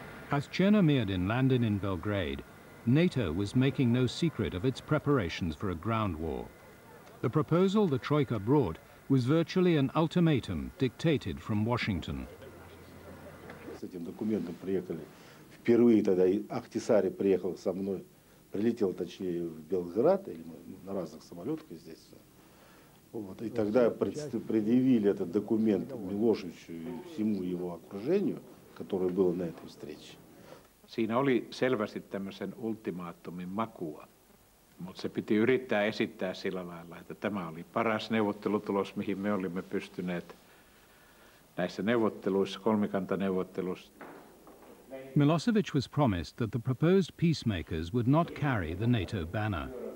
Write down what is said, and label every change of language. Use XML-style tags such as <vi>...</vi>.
<en>As Chernomyrdin landed in Belgrade, NATO was making no secret of its preparations for a ground war. The proposal the Troika brought was virtually an ultimatum dictated from Washington.</en> <ru>С этим документом приехали. Впервые тогда Ахтисари приехал со мной, прилетел точнее в Белград или на разных самолетах здесь. Вот. И тогда предъявили этот документ Милошевичу и всему его окружению, которое было на этой встрече.</ru> <fi>Siinä oli selvästi tämmöisen ultimaattumin makua, mutta se piti yrittää esittää sillä lailla, että tämä oli paras neuvottelutulos, mihin me olimme pystyneet näissä neuvotteluissa, kolmikantaneuvotteluissa.</fi> <en>Milosevic was promised that the proposed peacemakers would not carry the NATO banner.</en>